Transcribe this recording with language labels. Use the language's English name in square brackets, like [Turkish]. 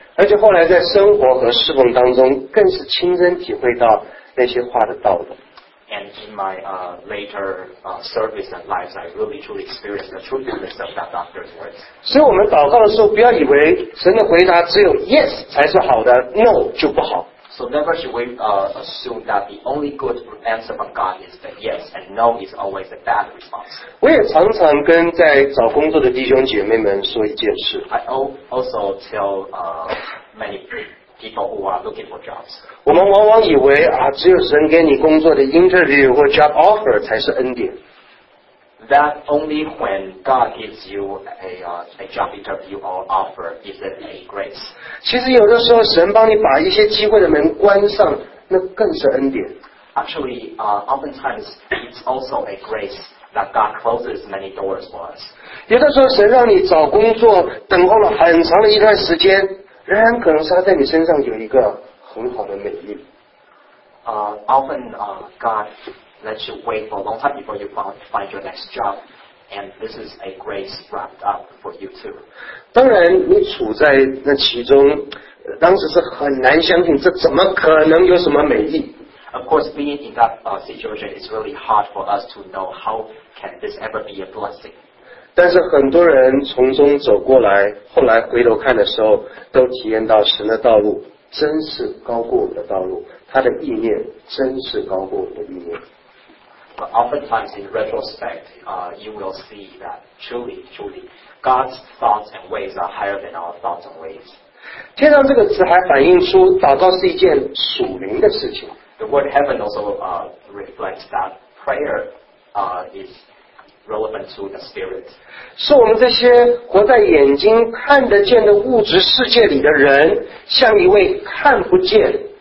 [Chinese] 而且后来在生活和侍奉当中，更是亲身体会到那些话的道理。 [English] And in my service and lives, I really truly experienced the truthfulness of that doctor's words. [Chinese] 所以我们祷告的时候，不要以为神的回答只有 yes 才是好的 ，no 就不好。 [English] So never should we assume that the only good answer from God is the yes and no is always a bad response. [Chinese] 我也常常跟在找工作的弟兄姐妹们说一件事。 [English] I also tell many people who are looking for jobs. [Chinese] 我们往往以为啊，只有神给你工作的 interview 或 job offer 才是恩典。 [English] That only when God gives you a job interview or offer is it a grace. [Chinese] 其实有的时候神帮你把一些机会的门关上，那更是恩典。 [English] Actually, oftentimes it's also a grace that God closes many doors for us. [Chinese] 有的时候神让你找工作，等候了很长的一段时间，仍然可能是他在你身上有一个很好的美意。 [English] Often God. Let you wait for a long time before you find your next job, and this is a grace wrapped up for you too. [Chinese] 当然，你处在那其中，当时是很难相信，这怎么可能有什么美意 [English] ？Of course, being in that situation is really hard for us to know how can this ever be a blessing. [Chinese] 但是很多人从中走过来，后来回头看的时候，都体验到神的道路真是高过我们的道路。他的意念真是高过我的意念。 [English] But oftentimes in retrospect, you will see that truly, truly, God's thoughts and ways are higher than our thoughts and ways. [Chinese] 天上这个词还反映出祷告是一件属灵的事情。 [English] The word heaven also reflects that prayer is relevant to the spirit. [Chinese] 是我们这些活在眼睛看得见的物质世界里的人，向一位看不见。